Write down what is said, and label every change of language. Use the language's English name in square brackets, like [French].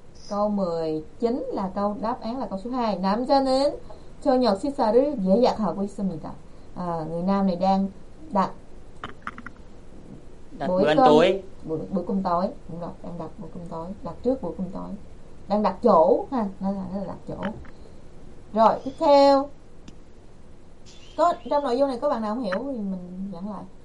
[Vietnamese] câu 19 là câu đáp án là câu số 2. [Korean] 남자는 저녁 식사를 예약하고 있습니다. [Vietnamese] À, người nam này đang đặt bữa cơm tối, đúng rồi, đang đặt bữa cơm tối, đặt trước bữa cơm tối, đang đặt chỗ ha, nó là đặt chỗ. Rồi tiếp theo, có trong nội dung này có bạn nào không hiểu thì mình giảng lại.